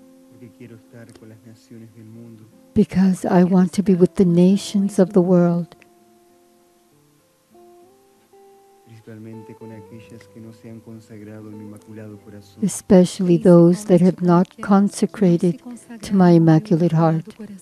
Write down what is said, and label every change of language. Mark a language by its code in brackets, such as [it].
[es] Porque quiero estar con las naciones del mundo. [en] Because I want to be with the nations of the world. [es] Principalmente con aquellas que no se han consagrado al Inmaculado Corazón. [en] Especially those that have not consecrated to my Immaculate Heart.